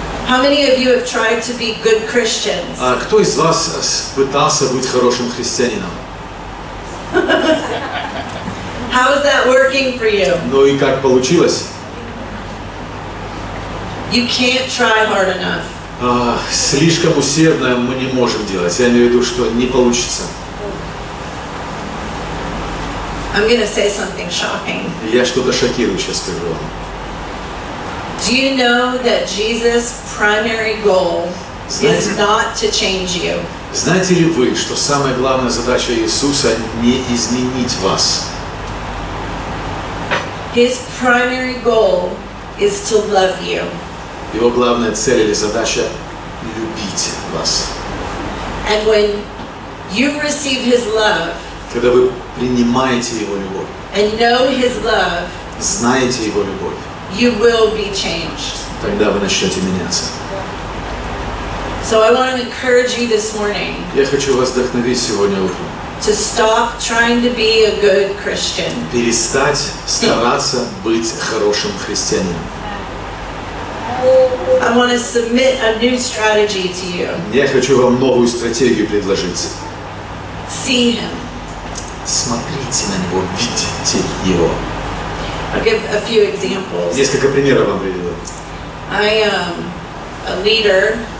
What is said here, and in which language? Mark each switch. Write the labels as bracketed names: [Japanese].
[English] How many of you have tried to be good Christians? [Russian] Кто из вас пытался быть хорошим христианином? [English] How is that working for you? [Russian] Ну и как получилось? [English] You can't try hard enough. [Russian] Слишком усердно мы не можем делать. Я имею в виду, что не получится. [English] I'm going to say something shocking. [Russian] Я что-то шокирующее скажу. [English] Do you know that Jesus' primary goal is not to change you? [Russian] Знаете ли вы, что самая главная задача Иисуса не изменить вас? [English] His primary goal is to love you. [Russian] Его главная цель или задача любить вас. [English] And when you receive His love, [Russian] когда вы принимаете Его любовь, [English] and know His love, [Russian] знаете Его любовь. [English] You will be changed. [Russian] Тогда вы начнете меняться. [English] So I want to encourage you this morning. [Russian] Я хочу вас вдохновить сегодня утром. [English] To stop trying to be a good Christian. [Russian] Перестать стараться быть хорошим христианином. [English] I want to submit a new strategy to you. [Russian] Я хочу вам новую стратегию предложить. [English] See him. [Russian] Смотрите на него, видите его. [English] I'll give a few examples. [Russian] Несколько примеров вам приведу. [English] I am a leader.